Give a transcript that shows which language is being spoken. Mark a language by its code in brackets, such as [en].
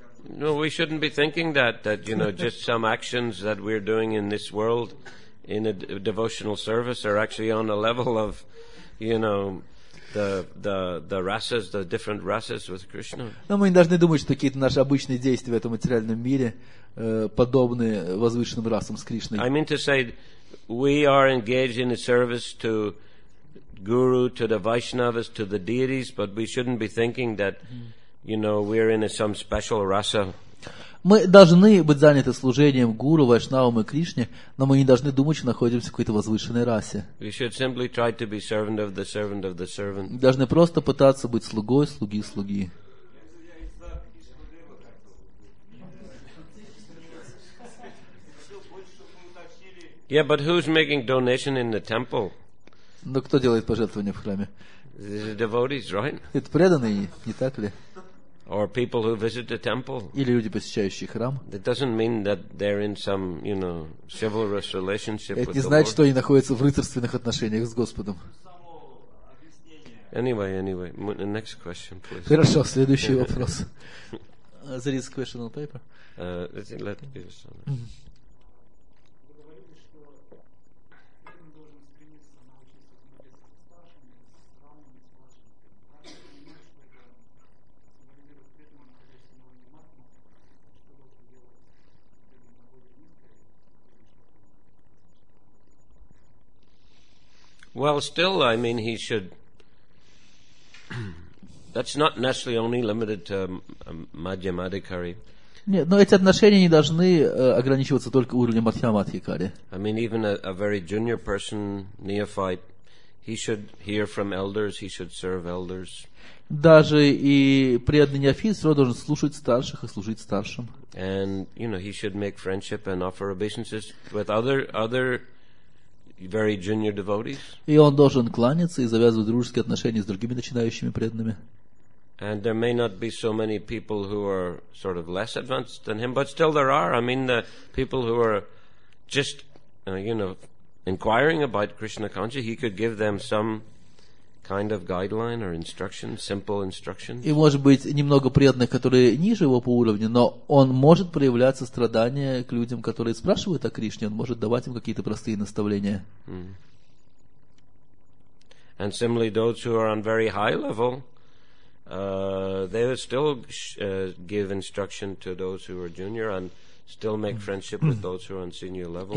[en] No, we shouldn't be thinking that you know, just some actions that we're doing in this world in a devotional service are actually on a level of, you know, the rasas, the different rasas with Krishna. [ru] Но мы не должны думать, что какие-то наши обычные действия в этом материальном мире подобны возвышенным расам с Кришной. [en] I mean to say, we are engaged in a service to Guru, to the Vaishnavas, to the deities, but we shouldn't be thinking that, you know, we're in some special rasa. [ru] Мы должны быть заняты служением Гуру, Вайшнавам и Кришне, но мы не должны думать, что находимся в какой-то возвышенной расе. [en] We should simply try to be servant of the servant of the servant. [ru] Мы должны просто пытаться быть слугой слуги слуги. [en] Yeah, but who's making donation in the temple? [ru] Но кто делает пожертвования в храме? [en] These are devotees, right? [ru] Это преданные, не так ли? [en] Or people who visit the temple. [ru] Или люди, посещающие храм. [en] That doesn't mean that they're in some, you know, chivalrous relationship with the Lord. [ru] Это не значит, что они находятся в рыцарственных отношениях с Господом. [en] Anyway, next question, please. [ru] Хорошо, следующий вопрос. [en] There is a question on paper. Let me give some. Well, still, I mean, he should. That's not necessarily only limited to Madhyama Adhikari. [ru] Нет, но эти отношения не должны ограничиваться только уровнем Мадхьяма Адхикари. [en] I mean, even a very junior person, neophyte, he should hear from elders, he should serve elders. [ru] Даже и преданный неофит все равно должен слушать старших и служить старшим. [en] And, you know, he should make friendship and offer obeisances with other very junior devotees. [ru] И он должен кланяться и завязывать дружеские отношения с другими начинающими преданными. [en] And there may not be so many people who are sort of less advanced than him, but still there are. I mean, the people who are just, you know, inquiring about Krishna consciousness, he could give them some kind of guideline or instruction, simple instruction. [ru] И может быть немного преданных, которые ниже его по уровню, но он может проявлять сострадание к людям, которые спрашивают о Кришне, он может давать им какие-то простые наставления. [en] And similarly, those who are on very high level, they will still give instruction to those who are junior and still make friendship with those who are on senior level.